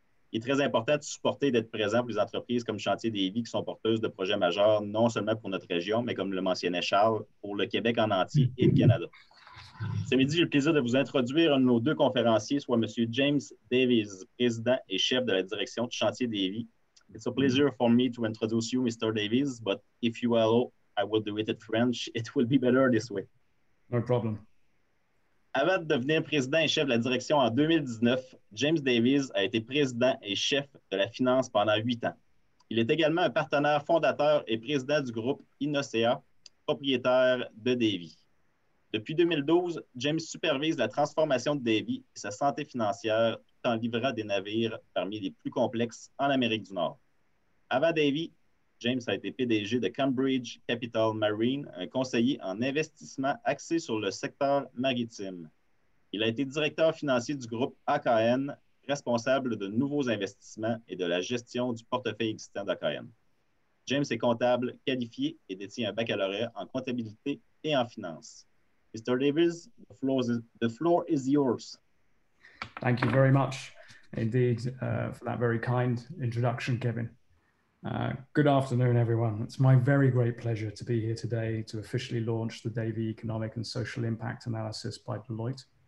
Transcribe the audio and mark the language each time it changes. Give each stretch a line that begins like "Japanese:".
French: Il est très important de supporter et d'être présent pour les entreprises comme Chantier Davies qui sont porteuses de projets majeurs, non seulement pour notre région, mais comme le mentionnait Charles, pour le Québec en entier et le Canada. Ce midi, j'ai le plaisir de vous introduire un de nos deux conférenciers, soit M. James Davies, président et chef de la direction de Chantier Davies.
English: It's a pleasure for me to introduce you, Mr. Davies, but if you allow, I will do it in French. It will be better this way. No problem.
French: Avant de devenir président et chef de la direction en 2019, James Davies a été président et chef de la finance pendant 8 ans. Il est également un partenaire fondateur et président du groupe Innocea, propriétaire de Davies. Depuis 2012, James supervise la transformation de Davies et sa santé financière tout en livrant des navires parmi les plus complexes en Amérique du Nord. Avant Davies, James a été PDG de Cambridge Capital Marine, un conseiller en investissement axé sur le secteur maritime. Il a été directeur financier du groupe AKN, responsable de nouveaux investissements et de la gestion du portefeuille existant d'AKN. James est comptable qualifié et détient un baccalauréat en comptabilité et en finance.
English: Mr. Davies, the floor is yours. Thank you very much indeed for that very kind introduction, Kevin. Good afternoon, everyone. It's my very great pleasure to be here today to officially launch the Davies Economic and Social Impact Analysis by Deloitte.